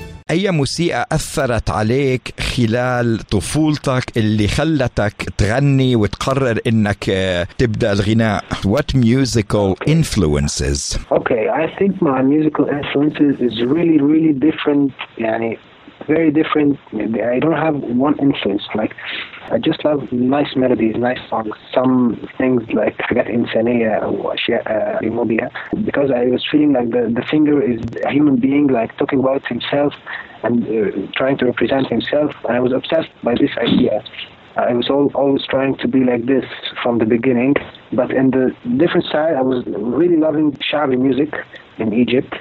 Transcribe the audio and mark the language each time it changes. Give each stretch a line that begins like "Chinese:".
Arabic: أي موسيقى أثرت عليك خلال طفولتك اللي خلتك تغني وتقرر إنك تبدأ الغناء؟
English: What musical influences? Okay, I think my musical influences is really, really different. يعني very different. I don't have one influence. Like I just love nice melodies, nice songs. Some things like
Arabic: حاجات إنسانية وأشياء ريموبية.
English: Because I was feeling like the singer is a human being, like talking about himself. And trying to represent himself, and I was obsessed by this idea. I was always trying to be like this from the beginning, but in the different side, I was really loving Shabi music in Egypt.